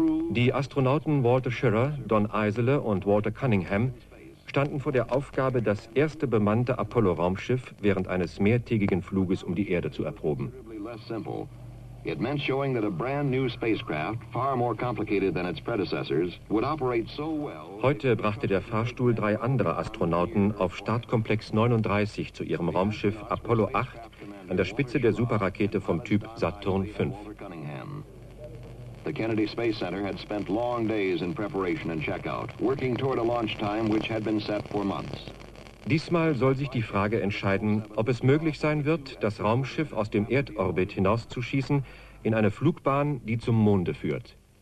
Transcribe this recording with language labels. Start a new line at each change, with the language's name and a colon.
German: Die Astronauten Walter Schirra, Don Eisele und Walter Cunningham standen vor der Aufgabe, das erste bemannte Apollo-Raumschiff während eines mehrtägigen Fluges um die Erde zu erproben.
English: Less simple. It meant showing that a brand new spacecraft, far more complicated than its predecessors, would operate so well.
German: Heute brachte der Fahrstuhl drei andere Astronauten auf Startkomplex 39 zu ihrem Raumschiff Apollo 8 an der Spitze der Superrakete vom Typ Saturn 5.
English: The Kennedy Space Center had spent long days in preparation and checkout, working toward a launch time which had been set for months.
German: Diesmal soll sich die Frage entscheiden, ob es möglich sein wird, das Raumschiff aus dem Erdorbit hinauszuschießen in eine Flugbahn, die zum Monde führt.